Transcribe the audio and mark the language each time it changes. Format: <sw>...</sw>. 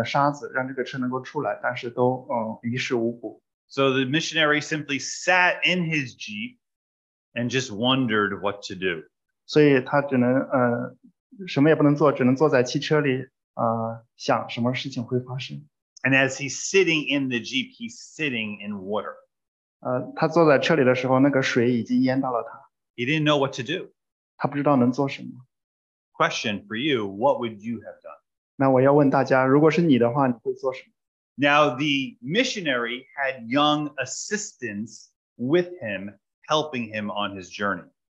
<zh>这位宣教士试图挪动这个车，试图挖下面的沙子，让这个车能够出来，但是都于事无补。</zh> <en>So the missionary simply sat in his Jeep and just wondered what to do.</en> <zh>所以他只能什么也不能做，只能坐在汽车里想什么事情会发生。</zh> <en>And as he's sitting in the Jeep, he's sitting in water.</en> <zh>他坐在车里的时候，那个水已经淹到了他。</zh> <en>He didn't know what to do.</en> <zh>他不知道能做什么。</zh> <en>Question for you, what would you have done?</en> <zh>那我要问大家，如果是你的话，你会做什么？</zh> <en>Now the missionary had young assistants with him, helping him on his journey.</en>